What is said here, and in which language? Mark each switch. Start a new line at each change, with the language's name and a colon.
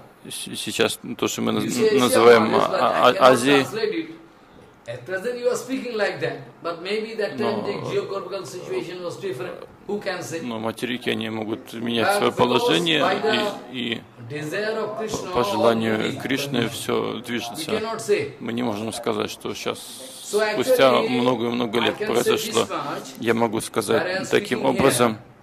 Russian: сейчас то, что мы называем Азией,
English: At present you are speaking like that, but maybe that time the geographical situation was different. Who can say?
Russian: Но материки они могут менять свое положение и по желанию Кришны все движется. Мы не можем сказать, что сейчас спустя много и много лет произошло. Я могу сказать таким образом.